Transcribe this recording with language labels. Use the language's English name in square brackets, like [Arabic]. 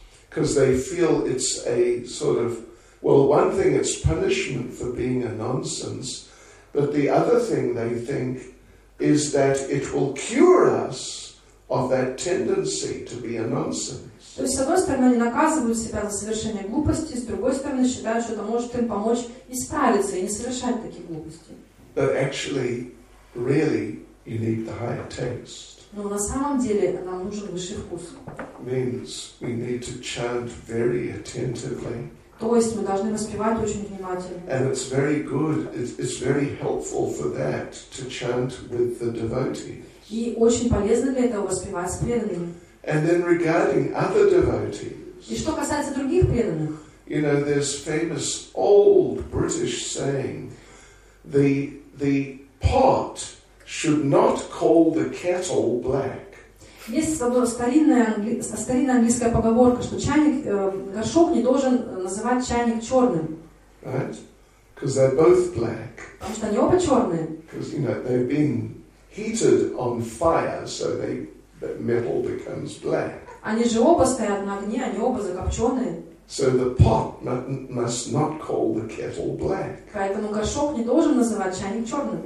[English] because they feel it's a sort of, well, one thing, it's punishment for being a nonsense, but the other thing they think is that it will cure us of that tendency to be a nonsense. [Russian] То есть, с одной стороны, они наказывают себя за совершение глупости, с другой стороны, считают, что это может им помочь исправиться и не совершать такие глупости. [English] But actually, really, you need the higher taste. [Russian] Но на самом деле нам нужен высший вкус. [English] Means we need to chant very attentively. [Russian] То есть мы должны воспевать очень внимательно. [English] And it's very good, it's very helpful for that to chant with the devotees. [Russian] И очень полезно для этого воспевать с преданными. [English] And then regarding other devotees, [Russian] и что касается других преданных, [English] you know, there's famous old British saying, the pot should not call the kettle black. [Russian] Есть старинная английская поговорка, что чайник, горшок не должен называть чайник черным. [English] Right? Because they're both black. [Russian] Потому что они оба черные. [English] Because, you know, they've been heated on fire, so they... That metal becomes black. [Russian] Они же оба стоят на огне, они оба закопченные. [English] So the pot must not call the kettle black. [Russian] Поэтому горшок не должен называть чайник черным.